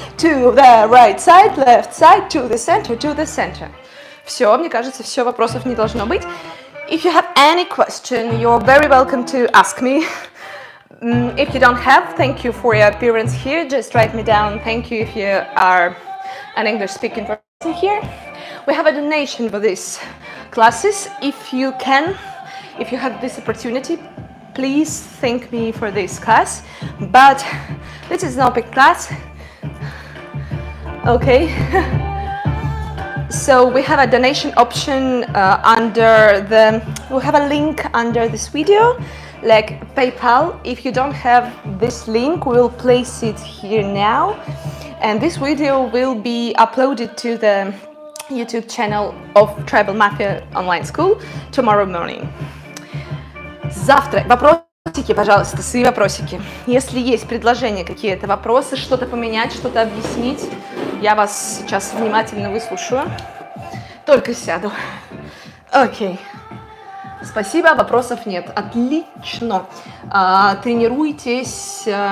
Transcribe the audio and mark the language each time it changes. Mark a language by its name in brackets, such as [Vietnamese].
[English] To the right side, left side, to the center, to the center. [Russian] Все, мне кажется, все, вопросов не должно быть. [English] If you have any question, you're very welcome to ask me. If you don't have, thank you for your appearance here. Just write me down. Thank you if you are an English-speaking person here. We have a donation for this. Classes, if you can, if you have this opportunity, please thank me for this class. But this is not a big class. Okay. So we have a donation option under the. We have a link under this video, like PayPal. If you don't have this link, we'll place it here now, and this video will be uploaded to the YouTube channel of Trayble Mafia Online School tomorrow morning. [Russian] Завтра. Вопросики, пожалуйста, свои вопросики. Если есть предложения какие-то, вопросы, что-то поменять, что-то объяснить, я вас сейчас внимательно выслушаю. Только сяду. Окей. Спасибо, вопросов нет. Отлично. Тренируйтесь.